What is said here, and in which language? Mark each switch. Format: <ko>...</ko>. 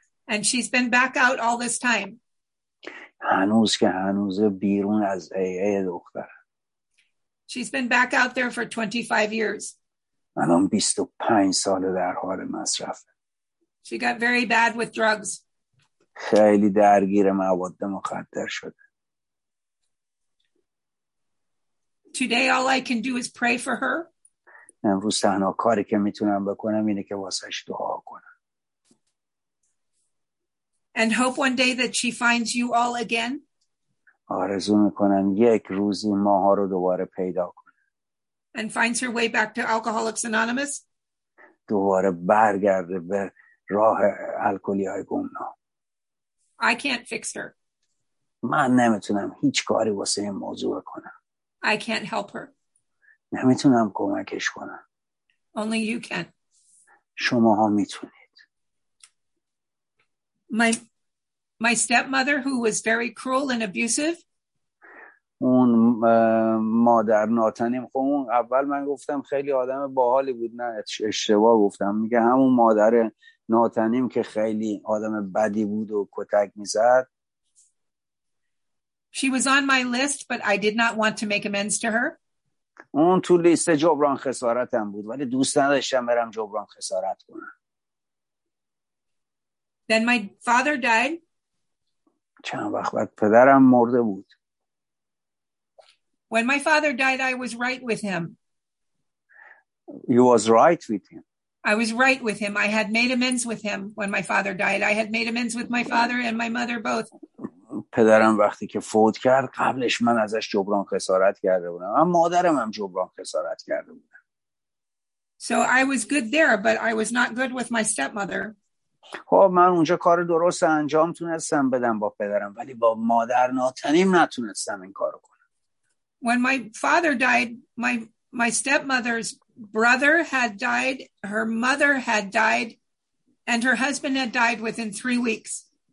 <en>And she's been back out all this time.</en> <fa>هنوز که هنوز بیرون از AA دخترم.</fa> <en>She's been back out there for 25 years.</en> <fa>الان 25 سال در حال مصرف.</fa> <en>She got very bad with drugs.</en> <fa>خیلی درگیر مواد مخدر شده.</fa> <en>Today all I can do is pray for her.</en> <fa>امروز تنها کاری که میتونم بکنم اینه که واسش دعا کنم.</fa> <en>And hope one day that she finds you all again.</en> <fa>آرزو میکنم یک روزی ماها رو دوباره پیدا کنه.</fa> <en>And finds her way back to Alcoholics Anonymous.</en> <fa>دوباره برگرده به راه الکلی های گمنام.</fa> <en>I can't fix her.</en> <fa>من نمیتونم هیچ کاری واسه این موضوع کنم.</fa> <en>I can't help her.</en> <fa>نمیتونم کمکش کنم.</fa> <en>Only you can.</en> <fa>شما ها میتونید.</fa> <en>My stepmother who was very cruel and abusive.</en> <fa>اون مادر ناتنیم خب اون اول من گفتم خیلی آدم باحالی بود نه اشتباه گفتم میگه همون مادر ناتنیم که خیلی آدم بدی بود و کتک میزد.</fa> <en>She was on my list but I did not want to make amends to her.</en> <fa>اون تو لیست جبران خسارتم بود ولی دوست نداشتم برم جبران خسارت کنم.</fa> <en>Then my father died.</en> <fa>چند وقت بعد پدرم مرده بود.</fa> <en>When my father died I was right with him. You was right with him. I was right with him. I had made amends with him when my father died. I had made amends with my father and my mother both.</en> <fa>پدرم وقتی که فوت کرد قبلش من ازش جبران خسارت کرده بودم اما مادرم هم جبران خسارت کرده بودم.</fa> <en>So I was good there but I was not good with my stepmother.</en> <fa>خب من اونجا کار درست انجام تونستم بدم با پدرم ولی با مادر ناتنیم نتونستم این کارو کنم.</fa> <en>When my father died my stepmother's brother had died, her mother had died and her husband had died within 3 weeks.</en>